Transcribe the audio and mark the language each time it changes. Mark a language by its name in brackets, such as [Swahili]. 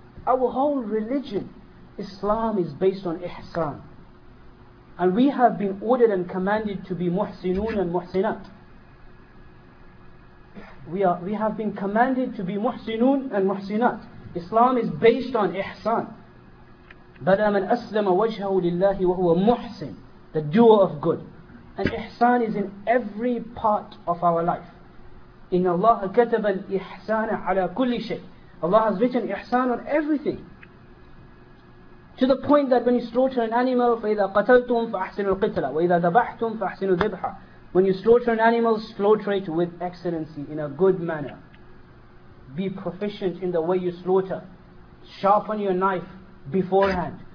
[English] Our whole religion, Islam, is based on ihsan. And we have been ordered and commanded to be muhsinoon and muhsinat. we have been commanded to be muhsinun and muhsinat. Islam is based on ihsan. [Arabic] بَلَا مَنْ أَسْلَمَ وَجْهَهُ لِلَّهِ وَهُوَ مُحْسِنُ, [English] the doer of good. And ihsan is in every part of our life. [Arabic] إِنَّ اللَّهَ كَتَبَ الْإِحْسَانَ عَلَى كُلِّ شَيْءٍ, [English] Allah has written ihsan on everything. To the point that when you slaughter an animal, [Arabic] فَإِذَا قَتَلْتُمْ فَأَحْسِنُوا الْقِتْلَ وَإِذَا ذَبَحْتُمْ فَأَحْسِنُوا الذِّبْحَ, [English] when you slaughter an animal, slaughter it with excellency, in a good manner. Be proficient in the way you slaughter. Sharpen your knife beforehand.